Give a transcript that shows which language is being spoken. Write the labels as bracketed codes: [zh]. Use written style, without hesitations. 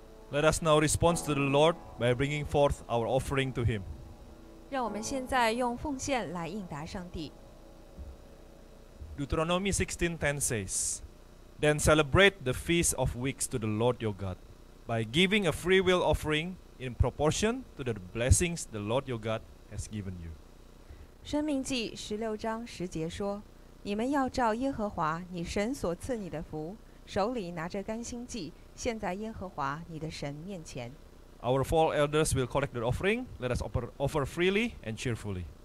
[en] Let us now respond to the Lord by bringing forth our offering to Him. [zh] 让我们现在用奉献来应答上帝。 [en] Deuteronomy 16:10 says, "Then celebrate the feast of weeks to the Lord your God by giving a freewill offering in proportion to the blessings the Lord your God has given you." [zh] 申命记十六章十节说，你们要照耶和华你神所赐你的福，手里拿着甘馨祭。现在耶和华你的神面前。 [en] Our four elders will collect the offering. Let us offer freely and cheerfully.